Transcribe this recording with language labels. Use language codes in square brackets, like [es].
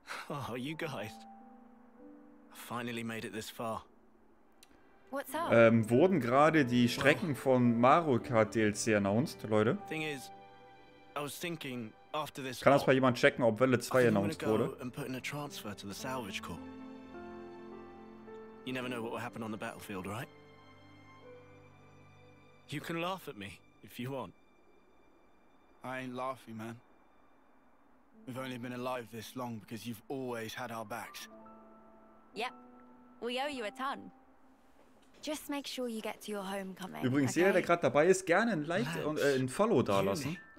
[en] Oh, you guys. I finally made it this far. What's up? [de] Wurden gerade die Strecken von Mario Kart DLC announced, Leute? [en] Thing is, I was thinking, after this [de] kann das mal jemand checken, ob Welle 2 announced wurde? [en] And put in a transfer to the salvage corps. You never know what will happen on the battlefield, right? You can laugh at me if you want. I ain't laughing, man. We've only been alive this long because you've always had our backs. Yep. We owe you a ton. Just make sure you get to your homecoming. [de] Übrigens, [en] okay? [de] Jeder, der gerade dabei ist, gerne ein Like und ein Follow da lassen.